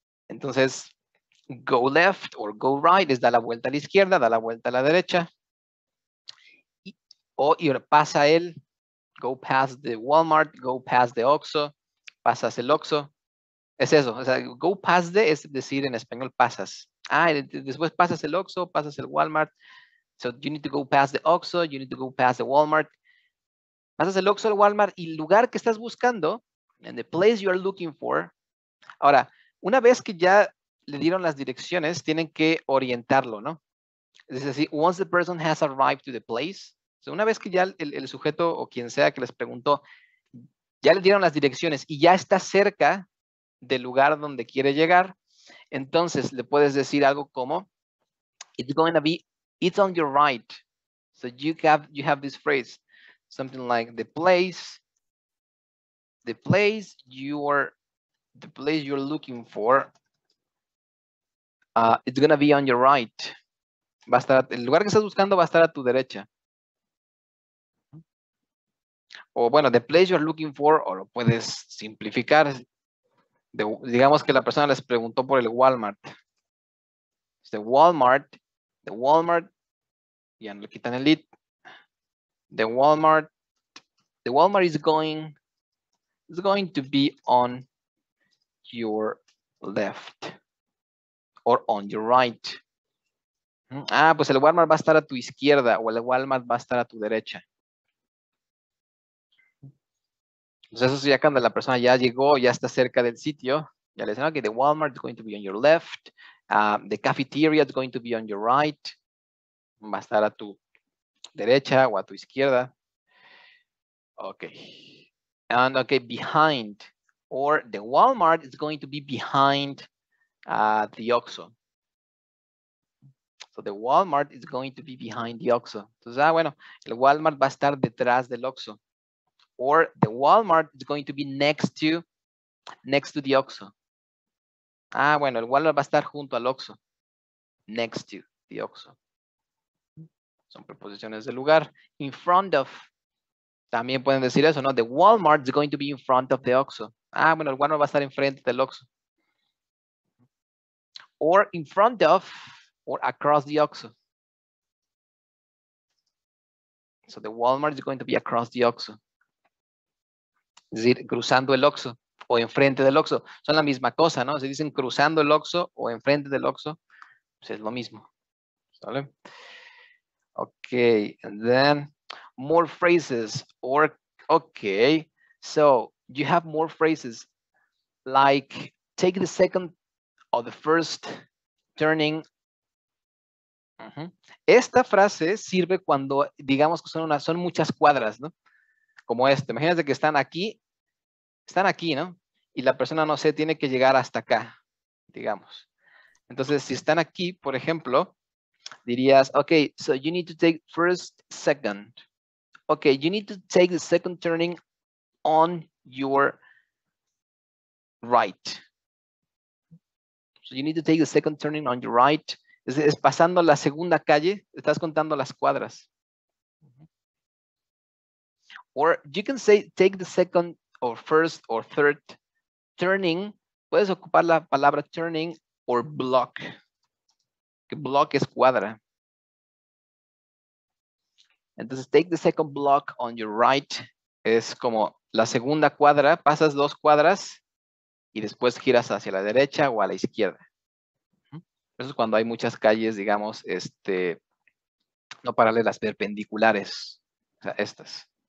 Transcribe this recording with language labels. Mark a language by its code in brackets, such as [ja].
[es] Entonces, [en] go left or go right [es] es dar la vuelta a la izquierda, dar la vuelta a la derecha. O pasa él, [en] go past the Walmart, go past the Oxxo, [es] pasas el Oxxo. Es eso, o sea, [en] go past the [es] es decir en español pasas. Ah, después pasas el Oxxo, pasas el Walmart. [en] So you need to go past the Oxxo, you need to go past the Walmart. [es] Pasas el Oxxo, el Walmart, y el lugar que estás buscando, [en] and the place you are looking for, [es] Ahora, una vez que ya le dieron las direcciones, tienen que orientarlo, ¿no? Es decir, once the person has arrived to the place, o sea, una vez que ya el sujeto o quien sea que les preguntó, ya le dieron las direcciones y ya está cerca del lugar donde quiere llegar, entonces le puedes decir algo como, [en] it's going to be, it's on your right. So you have this phrase, something like the place you're looking for, it's going to be on your right. [es] Va a estar, el lugar que estás buscando va a estar a tu derecha. O bueno, [en] the place you're looking for, [es] o lo puedes simplificar. Digamos que la persona les preguntó por el Walmart. The Walmart, ya no le quitan el lead. [en] The Walmart is going to be on your left or on your right. [es] Ah, pues el Walmart va a estar a tu izquierda o el Walmart va a estar a tu derecha. Pues eso sí, ya cuando la persona ya llegó, ya está cerca del sitio, ya le dicen, okay, [en] the Walmart is going to be on your left, the cafeteria is going to be on your right, [es] va a estar a tu derecha o a tu izquierda. Okay. [en] And okay, behind, or the Walmart is going to be behind the Oxxo. So the Walmart is going to be behind the Oxxo. [es] Entonces, ah, bueno, el Walmart va a estar detrás del Oxxo. [en] Or the Walmart is going to be next to the Oxxo. [es] Ah, bueno, el Walmart va a estar junto al Oxxo. [en] Next to the Oxxo. [es] Son preposiciones de lugar. [en] In front of. [es] También pueden decir eso, ¿no? [en] The Walmart is going to be in front of the Oxxo. [es] Ah, bueno, el Walmart va a estar enfrente del Oxxo. [en] Or in front of. Or across the Oxxo. So the Walmart is going to be across the Oxxo. [es] Es decir, cruzando el Oxxo o enfrente del Oxxo. Son la misma cosa, ¿no? Se dicen cruzando el Oxxo o enfrente del Oxxo. Pues es lo mismo. ¿Sale? [en] Okay. And then more phrases. Or, okay. So you have more phrases like take the second or the first turning. [es] Esta frase sirve cuando, digamos que son muchas cuadras, ¿no? Como este. Imagínate que están aquí, ¿no? Y la persona, no sé, tiene que llegar hasta acá, digamos. Entonces, si están aquí, por ejemplo, dirías, [en] okay, so you need to take first, second. Okay, you need to take the second turning on your right. So you need to take the second turning on your right. [es] Es pasando la segunda calle, estás contando las cuadras. [en] Or you can say, take the second or first or third turning. [es] Puedes ocupar la palabra turning or block. Que block es cuadra. [en] Entonces, take the second block on your right. [es] Es como la segunda cuadra, pasas dos cuadras y después giras hacia la derecha o a la izquierda. Eso es cuando hay muchas calles, digamos, no paralelas, perpendiculares. O sea, estas.